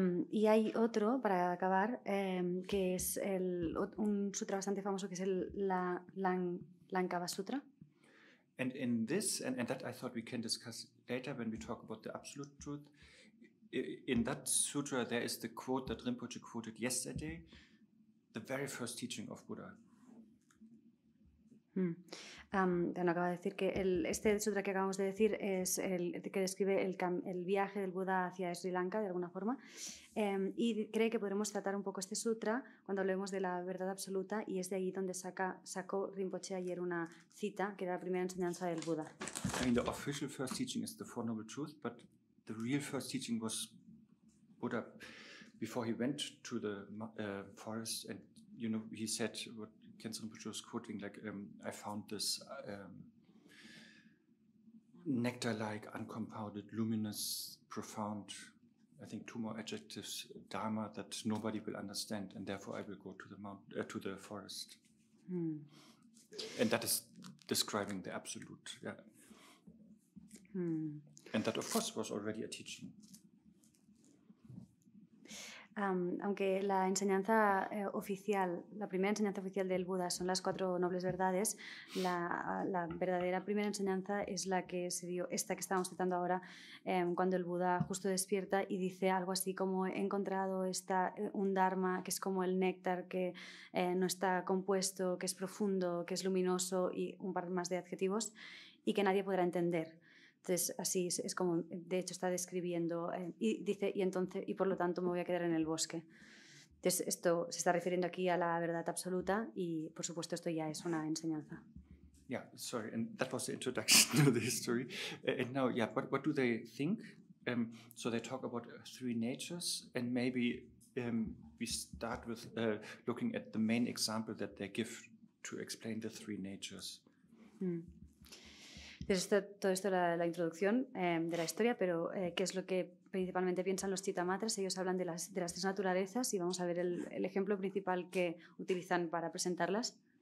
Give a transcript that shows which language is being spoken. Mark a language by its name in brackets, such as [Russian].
[Spanish] Y hay otro, para acabar, que es el, un sutra bastante famoso que es el Lankava Sutra. [English] And in this, and that I thought we can discuss later when we talk about the absolute truth, in that sutra there is the quote that Rinpoche quoted yesterday, the very first teaching of Buddha. [Spanish] Bueno, acaba de decir que este sutra que acabamos de decir es el que describe el viaje del Buda hacia Sri Lanka, de alguna forma, y cree que podremos tratar un poco este sutra cuando hablemos de la verdad absoluta, y es de ahí donde sacó Rinpoche ayer una cita, que era la primera enseñanza del Buda. [English] I mean, the official first teaching is the Four Noble Truths, but the real first teaching was Buddha before he went to the forest, and you know, he said what Kenzo Rinpoche was quoting, like, I found this nectar-like, uncompounded, luminous, profound, I think two more adjectives, dharma that nobody will understand, and therefore I will go to the mountain, to the forest. Hmm. And that is describing the absolute. Yeah. Hmm. And that, of course, was already a teaching. [Spanish] Aunque la enseñanza oficial, la primera enseñanza oficial del Buda son las cuatro nobles verdades, la verdadera primera enseñanza es la que se dio, esta que estamos citando ahora, cuando el Buda justo despierta y dice algo así como he encontrado un dharma que es como el néctar que no está compuesto, que es profundo, que es luminoso y un par más de adjetivos y que nadie podrá entender. Entonces, así es como, de hecho, está describiendo, y dice, y entonces, y por lo tanto me voy a quedar en el bosque. Entonces, esto se está refiriendo aquí a la verdad absoluta, y por supuesto, esto ya es una enseñanza. [English] Yeah, sorry, and that was the introduction to the history. And now, yeah, what do they think? So they talk about three natures, and maybe we start with looking at the main example that they give to explain the three natures. Mm. [Spanish] Todo esto era la introducción de la historia, pero ¿qué es lo que principalmente piensan los chitamatras? Ellos hablan de las tres naturalezas y vamos a ver el ejemplo principal que utilizan para presentarlas.